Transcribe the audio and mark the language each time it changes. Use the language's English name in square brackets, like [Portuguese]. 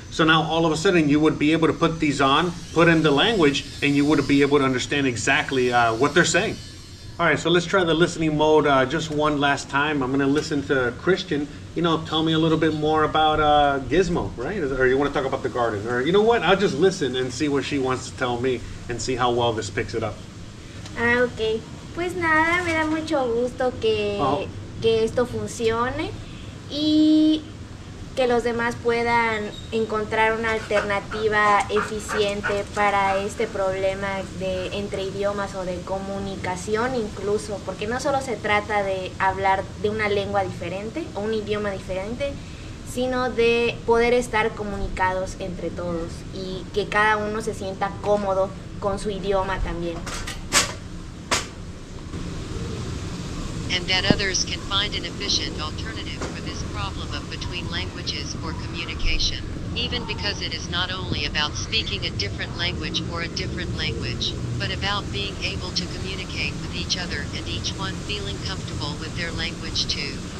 [English] So now all of a sudden you would be able to put these on, put in the language, and you would be able to understand exactly what they're saying. All right, so let's try the listening mode just one last time. I'm going to listen to Christian, you know, tell me a little bit more about Gizmo, right? Or you want to talk about the garden. Or you know what? I'll just listen and see what she wants to tell me and see how well this picks it up. Ah, okay. [Spanish] Pues nada, me da mucho gusto que, que esto funcione y que los demás puedan encontrar una alternativa eficiente para este problema de entre idiomas o de comunicación incluso, porque no solo se trata de hablar de una lengua diferente o un idioma diferente, sino de poder estar comunicados entre todos y que cada uno se sienta cómodo con su idioma también. [English] And that others can find an efficient alternative for this problem of between languages or communication, even because it is not only about speaking a different language or a different language, but about being able to communicate with each other and each one feeling comfortable with their language too.